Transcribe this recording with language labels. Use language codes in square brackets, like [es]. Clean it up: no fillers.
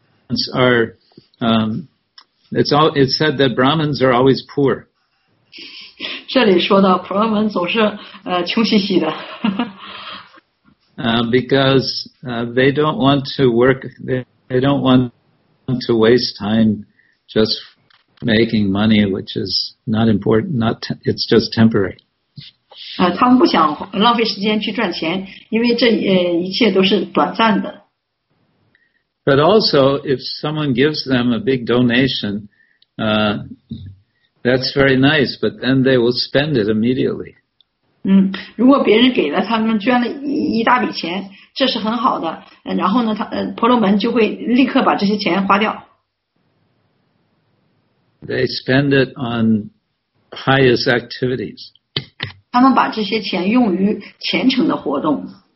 [en] It's said that Brahmins are always poor. [zh] 这里说到婆罗门总是穷兮兮的。 [en] Because they don't want to waste time just making money, which is not important. It's just temporary. [zh] 他们不想浪费时间去赚钱，因为这一切都是短暂的。 [en] But also, if someone gives them a big donation, that's very nice, but then they will spend it immediately. [zh] 如果别人给了他们捐了一大笔钱，这是很好的，然后呢，婆罗门就会立刻把这些钱花掉。 [en] They spend it on pious activities. [zh] 他们把这些钱用于虔诚的活动。